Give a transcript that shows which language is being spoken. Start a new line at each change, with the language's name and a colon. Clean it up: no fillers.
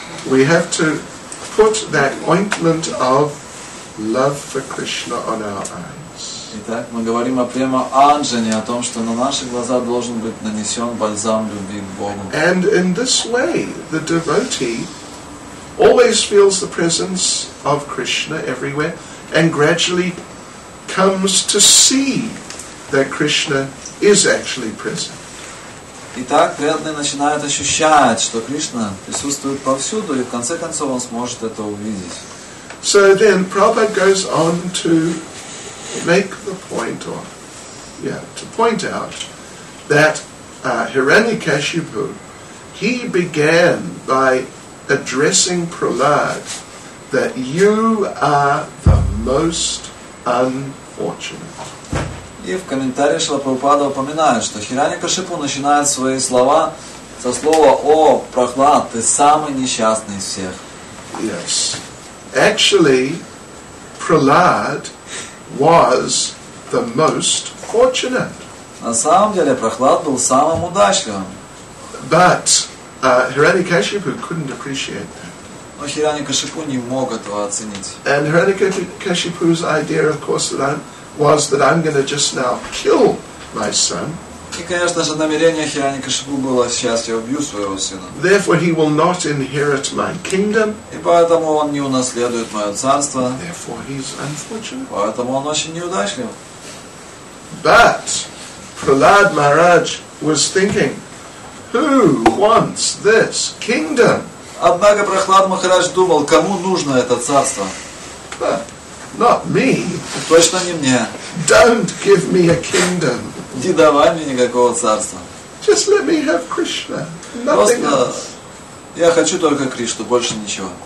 English: We have to put that ointment of love for Krishna on our eyes.
Russian: Итак, мы говорим о према анджане, о том, что на наши глаза должен быть нанесен бальзам любви к Богу.
English: And in this way, the devotee always feels the presence of Krishna everywhere and gradually comes to see that Krishna is actually present.
Russian: Итак, преданный начинает ощущать, что Кришна присутствует повсюду, и в конце концов он сможет это увидеть.
English: So then Prabhupada goes on to make the point to point out that Hiranyakashipu, he began by addressing Prahlad, that you are the most unfortunate.
Russian: И в комментарии Шрила Прабхупада упоминает, что Хираньякашипу начинает свои слова со слова «О, Прахлад, ты самый несчастный из всех».
English: Yes. Actually, Prahlad was the most fortunate.
Russian: На самом деле, Прахлад был самым удачливым.
English: But Hiranyakashipu couldn't appreciate that.
Russian: Но Хиранякашипу не мог этого оценить.
English: And Hiranyakashipu's idea, of course, was that I'm going to just now kill my son.
Russian: И, конечно же, намерение Хиранякашипу было сейчас я убью своего сына.
English: Therefore, he will not inherit my kingdom.
Russian: И поэтому он не унаследует мое царство.
English: Therefore, he's unfortunate.
Russian: Поэтому он очень неудачлив.
English: But Prahlad Maharaj was thinking, who wants this kingdom?
Russian: Однако Прахлад Махарадж думал, кому нужно это царство?
English: Not me.
Russian: Точно не мне.
English: Don't give me a kingdom.
Russian: Не давай мне никакого царства.
English: Just let me have Krishna. Nothing else.
Russian: Я хочу только Кришну, больше ничего.